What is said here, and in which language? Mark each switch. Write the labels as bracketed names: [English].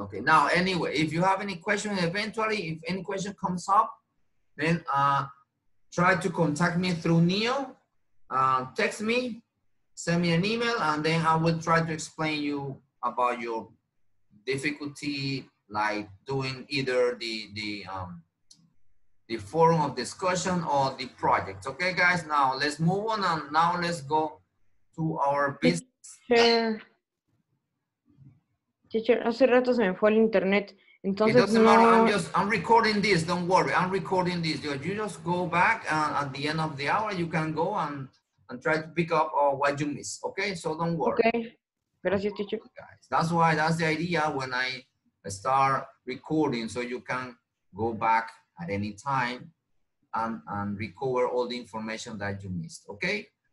[English] Okay, now, anyway, if you have any question, eventually, if any question comes up, then try to contact me through Neo, text me, send me an email, and then I will try to explain you about your difficulty, like doing either the forum of discussion or the project. Okay, guys, now let's move on, and now let's go to our business. [Spanish] Teacher, hace rato se me fue el internet. Entonces, [English] it doesn't matter, I'm recording this, don't worry, I'm recording this. You just go back and at the end of the hour, you can go and try to pick up what you miss, okay? So don't worry. [Spanish] Okay, gracias, teacher. [English] Guys, that's why, that's the idea when I start recording, so you can go back at any time and recover all the information that you missed, okay?